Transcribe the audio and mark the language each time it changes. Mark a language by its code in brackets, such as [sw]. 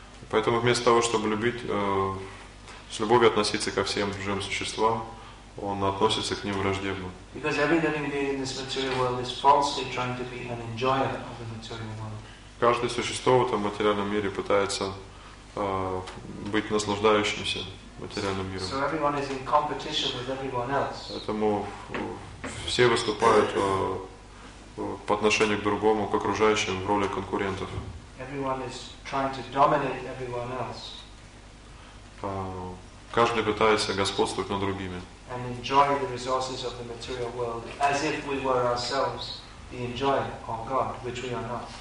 [ru] Поэтому вместо того, чтобы любить, с любовью относиться ко всем живым существам, он относится к ним враждебно. [en] Because every living being in this material world is falsely trying to be an enjoyer of the material world. [ru] Каждое существо в этом материальном мире пытается быть наслаждающимся материальным миром. [en] So everyone is in competition with everyone else. [ru] Поэтому все выступают по отношению к другому, к окружающим, в роли конкурентов. [en] Everyone is trying to dominate everyone else. [ru] Каждый пытается господствовать над другими. [en] And enjoy the resources of the material world as if we were ourselves the enjoyer of God, which we are not.